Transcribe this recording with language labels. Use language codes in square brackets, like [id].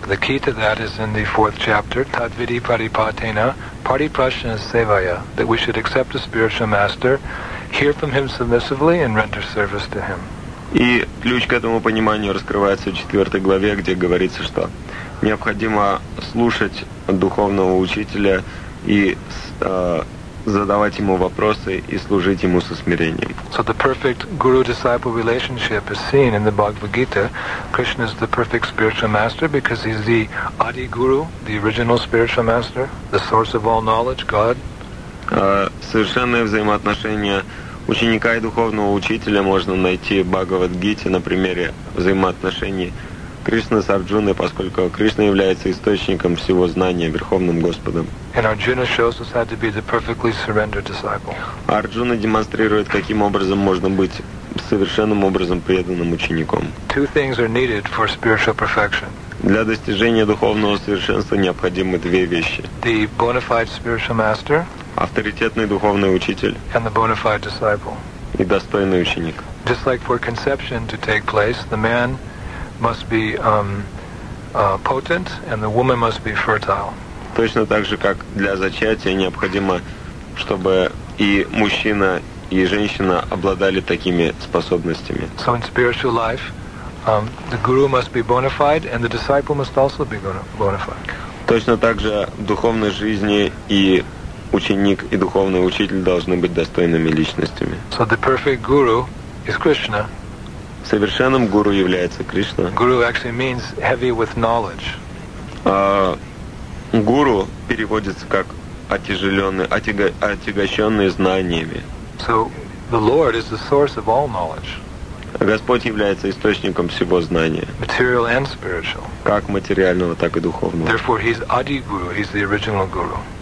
[en] The key to that is in the fourth chapter, [sa] Tadvidhi Paripatena, Pariprasana Sevaya, [en] that we should accept a spiritual master, hear from him submissively, and render service to him. [ru] И ключ к этому пониманию раскрывается в четвертой главе, где говорится, что необходимо слушать духовного учителя и задавать ему вопросы и служить ему со смирением. [en] So the perfect guru-disciple relationship is seen in the Bhagavad-gita. Krishna is the perfect spiritual master because he's the Adi Guru, the original spiritual master, the source of all knowledge, God. [ru] Совершенные взаимоотношения ученика и духовного учителя можно найти в Бхагавад-гите на примере взаимоотношений Кришна с Арджуной, поскольку Кришна является источником всего знания, Верховным Господом. [en] And Arjuna shows us how to be the perfectly surrendered disciple. [ru] Арджуна демонстрирует, каким образом можно быть совершенным образом преданным учеником. [en] Two things are needed for spiritual perfection. [ru] Для достижения духовного совершенства необходимы две вещи. [en] The bona fide spiritual master. [ru] Авторитетный духовный учитель. [en] And the bona fide disciple. [ru] И достойный ученик. [en] Just like for conception to take place, the man must be potent and the woman must be fertile. [ru] Точно так же, как для зачатия необходимо, чтобы и мужчина, и женщина обладали такими способностями. [en] So in spiritual life, the guru must be bona fide and the disciple must also be bona fide. [ru] Точно так же в духовной жизни и ученик, и духовный учитель должны быть достойными личностями. [en] So the perfect guru is Krishna. [ru] Совершенным гуру является Кришна. [en] Guru actually means heavy with knowledge. [ru] Гуру переводится как отяжеленный, отягощенный знаниями. [en] So the Lord is the source of all knowledge. [ru] Господь является источником всего знания. [en] Material and spiritual. [ru] Как материального, так и духовного. [en] Therefore he's Adi Guru, he's the original guru.